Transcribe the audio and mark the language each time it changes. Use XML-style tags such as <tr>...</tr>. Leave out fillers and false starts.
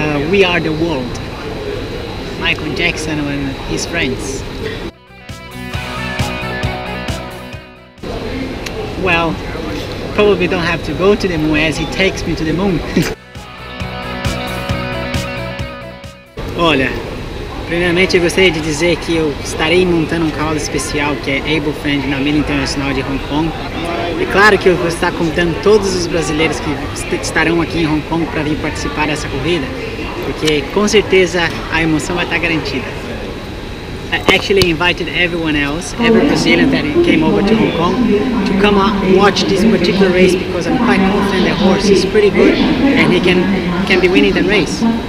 <en>We are the world. Michael Jackson and his friends. Well, probably don't have to go to the moon as he takes me to the moon.</en> <pt>Olha, primeiramente eu gostaria de dizer que eu estarei montando cavalo especial que é Abel Franny na Milha Internacional de Hong Kong. E claro que eu vou estar convidando todos os brasileiros que estarão aqui em Hong Kong para vir participar dessa corrida, porque com certeza a emoção vai estar garantida.</pt> <en>I actually invited everyone else, every Brazilian that came over to Hong Kong, to come out and watch this particular race because I'm quite confident the horse is pretty good and he can be winning the race.</en>